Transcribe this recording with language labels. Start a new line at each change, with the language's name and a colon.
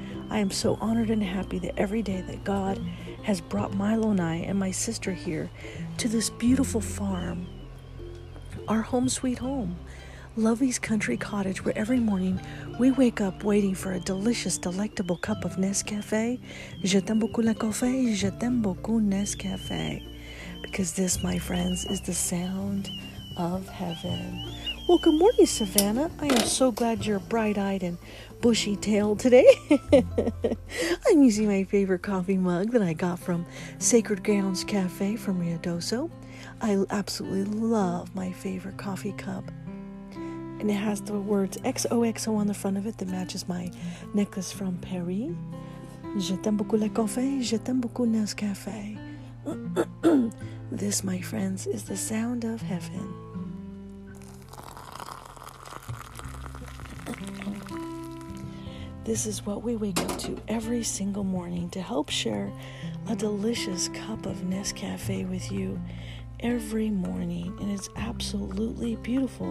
English: I am so honored and happy that every day that God has brought Milo and I and my sister here to this beautiful farm, our home sweet home, Lovey's Country Cottage, where every morning we wake up waiting for a delicious, delectable cup of Nescafe.
French: Je t'aime beaucoup le café, je t'aime beaucoup Nescafe.
English: Because this, my friends, is the sound of heaven. Well, good morning, Savannah. I am so glad you're bright-eyed and bushy-tailed today. I'm using my favorite coffee mug that I got from Sacred Grounds Cafe from Rio Doso. I absolutely love my favorite coffee cup. And it has the words XOXO on the front of it that matches my necklace from Paris.
French: Je t'aime beaucoup le café, je t'aime beaucoup Nescafe.
English: This, my friends, is the sound of heaven. This is what we wake up to every single morning to help share a delicious cup of Nescafe with you every morning, and it's absolutely beautiful.